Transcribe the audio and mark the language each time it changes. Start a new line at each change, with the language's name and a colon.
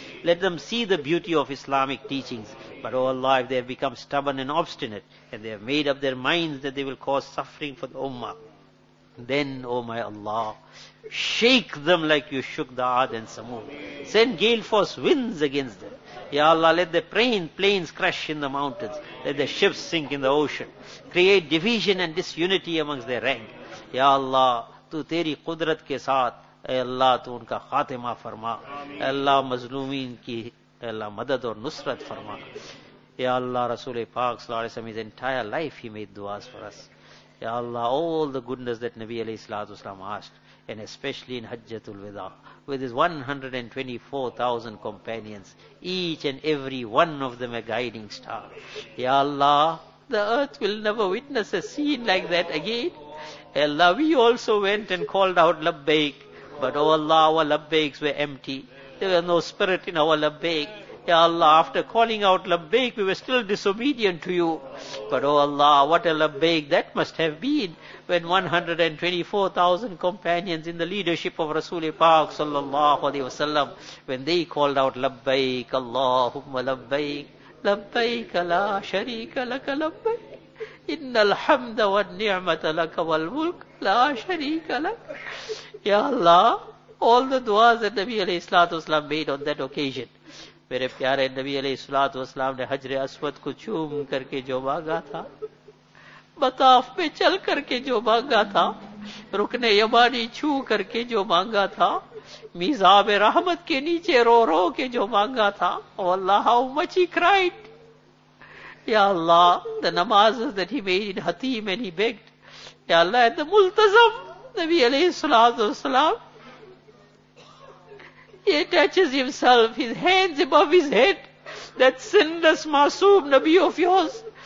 English: Let them see the beauty of Islamic teachings. But, O Allah, if they have become stubborn and obstinate, and they have made up their minds that they will cause suffering for the Ummah, then, O my Allah, shake them like you shook the Aad and Samud. Send gale force winds against them. Ya Allah, let the planes crash in the mountains. Let the ships sink in the ocean. Create division and disunity amongst their rank.
Urdu: Ya Allah, تو تیری قدرت کے ساتھ اے اللہ تو ان کا خاتمہ فرما. اے اللہ مظلومین کی اے اللہ مدد اور نصرت فرما. یا اللہ رسول پاک صلی اللہ علیہ وسلم
English: his entire life he made duas for us. یا اللہ all the goodness that نبی علیہ الصلوۃ والسلام asked, and especially in حجت الوداع with his 124,000 companions, each and every one of them a guiding star. یا اللہ, the earth will never witness a scene like that again. Allah, we also went and called out Labbaik, but oh Allah, our Labbaiks were empty. There was no spirit in our Labbaik. Ya Allah, after calling out Labbaik, we were still disobedient to you. But oh Allah, what a Labbaik that must have been when 124,000 companions in the leadership of Rasul Pak sallallahu alayhi wa sallam, when they called out Labbaik,
Arabic: Allahumma Labbaik, Labbaik la sharika laka Labbaik. إِنَّ الْحَمْدَ وَالْنِعْمَةَ لَكَ وَالْمُلْكَ لَا شَرِيكَ لَكَ.
English: Ya Allah, all the duas that Nabi alayhi salatu wasalam made on that occasion.
Urdu: میرے پیارے نبی علیہ السلام والسلام نے حجر اسود کو چوم کر کے جو مانگا تھا, بطاف پہ چل کر کے جو مانگا تھا, رکن یمانی چھو کر کے جو مانگا تھا, میزاب رحمت کے نیچے رو رو کے جو مانگا تھا,
English: Allah, how much he cried. Ya Allah, the namazes that he made in Hatim and he begged. Ya Allah, and the multazam, Nabi alayhi salatu wasalam, he attaches himself, his hands above his head, that sinless masoom Nabi of yours.